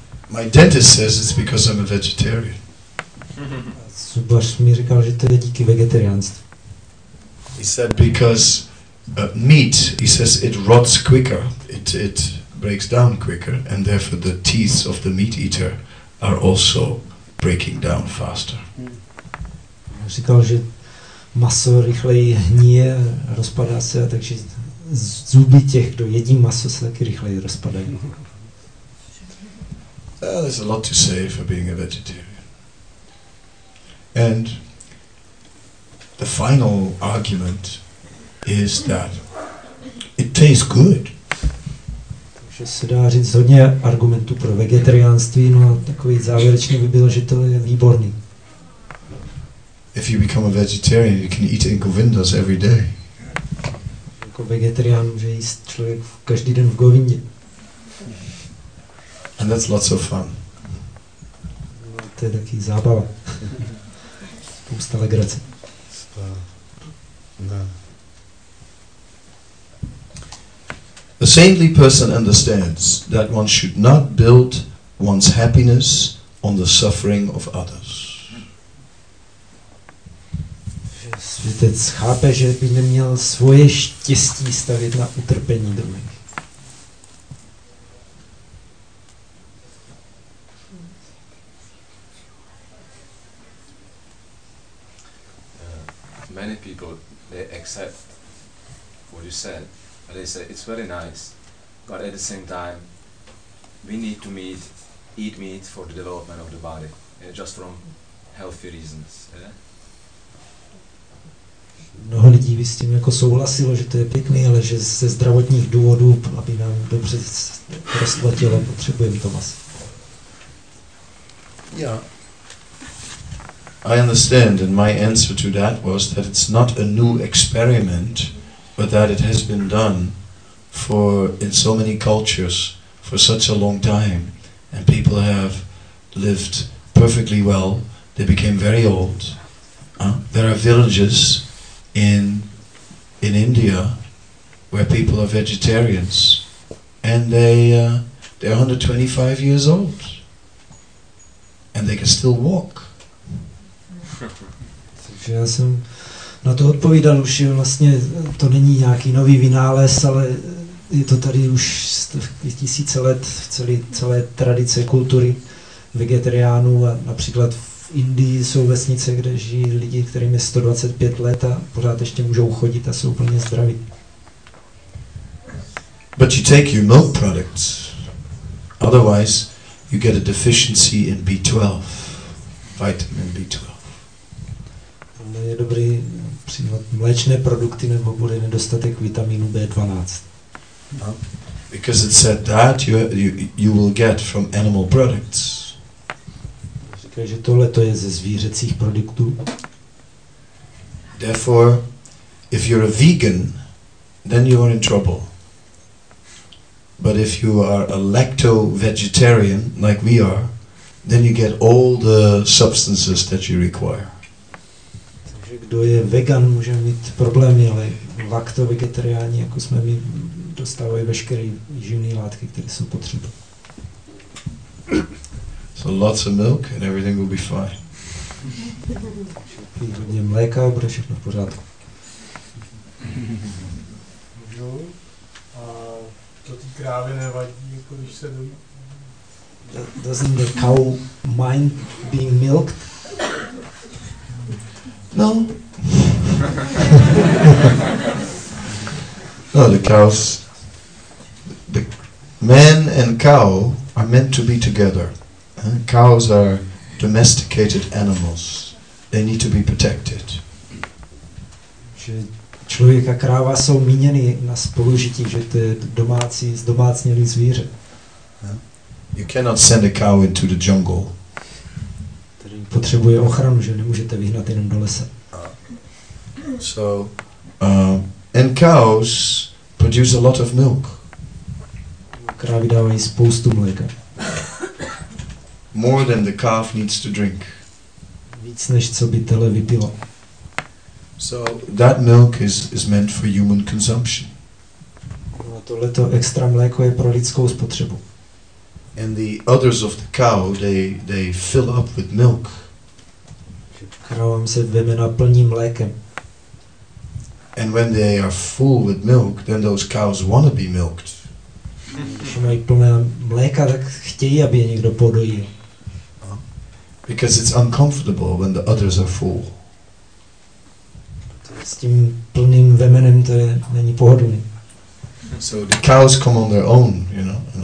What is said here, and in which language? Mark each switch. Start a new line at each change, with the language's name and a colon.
English: My dentist says it's because I'm a vegetarian.
Czech: Zubař mi říkal, že to je díky vegetariánství.
English: He said because meat, he says it rots quicker, it breaks down quicker, and therefore the teeth of the meat eater are also breaking down faster.
Czech: Říkal, že maso rychleji hníje, rozpadá se, takže zuby těch, kdo jedí maso, se taky rychleji rozpadají.
English: There's a lot to say for being a vegetarian. And the final argument is that it tastes good.
Czech: Takže se dá říct hodně argumentů pro vegetariánství, no a takový závěrečný by byl, že to je výborný.
English: If you become a vegetarian, you can eat in Govindas every day.
Czech: Jako vegetarián může jíst člověk každý den v Govindě.
English: And that's lots of fun.
Czech: No, to je taky zábava. Spousta legrace.
English: The saintly person understands that one should not build one's happiness on the suffering of others.
Czech: Světec chápe, že by neměl svoje štěstí stavět na utrpení druhých.
English: Many people, they accept what you said, but they say it's very nice, but at the same time, we need to eat meat for the development of the body, just from healthy reasons. Yeah?
Czech: Mnoho lidí by s tím jako souhlasilo, že to je pěkný, ale že ze zdravotních důvodů, aby nám dobře rostlo tělo, potřebujeme to maso.
English: Yeah. I understand, and my answer to that was that it's not a new experiment, but that it has been done for in so many cultures for such a long time, and people have lived perfectly well. They became very old. There are villages in India where people are vegetarians, and they're 125 years old, and they can still walk.
Czech: Takže já jsem na to odpovídal už, vlastně to není nějaký nový vynález, ale je to tady už tisíce let celé tradice kultury vegetariánů a například v Indii jsou vesnice, kde žijí lidi, kterým je 125 let a pořád ještě můžou chodit a jsou úplně zdraví.
English: But you take your milk products, otherwise you get a deficiency in B12, vitamin B12.
Czech: Je dobrý přijímat mléčné produkty nebo bude nedostatek vitaminu B12. No.
English: Because it said that you will get from animal products.
Czech: Říká, že tohle to je ze zvířecích produktů.
English: Therefore, if you're a vegan, then you are in trouble. But if you are a lacto-vegetarian, like we are, then you get all the substances that you require.
Czech: Kdo je vegan, může mít problémy, ale lakto-vegetariáni, jako jsme my, dostávají veškeré živné látky, které jsou potřeba.
English: So lots of milk and everything will be fine.
Czech: Pí hodně mléka a bude všechno v pořádku. Můžu? A to ty krávy nevadí, jako když se dojí?
English: Doesn't the cow mind being milked? No. No, the cows, the man and cow are meant to be together. Cows are domesticated animals. They need to be protected.
Czech: Že člověk a kráva jsou míněny na spolužití, že to je domácí, zdomácnělý zvíře.
English: You cannot send a cow into the jungle.
Czech: Tedy potřebuje ochranu, že nemůžete vyhnat jenom do lesa.
English: So, and cows produce a lot of milk.
Czech: Krávy dávají spoustu mléka.
English: More than the calf needs to drink.
Czech: Víc než co by tele vypilo.
English: So that milk is meant for human consumption.
Czech: No, tohleto extra mléko je pro lidskou spotřebu.
English: And the udders of the cow, they fill up with milk.
Czech: Krávám se vemena plní mlékem.
English: And when they are full with milk, then those cows want to be milked.
Czech: Když mají plné mléka, tak chtějí, aby je někdo podojil.
English: Because it's uncomfortable when the udders are full.
Czech: S tím plným vemenem to je, není pohodlný.
English: So the cows come on their own, you know.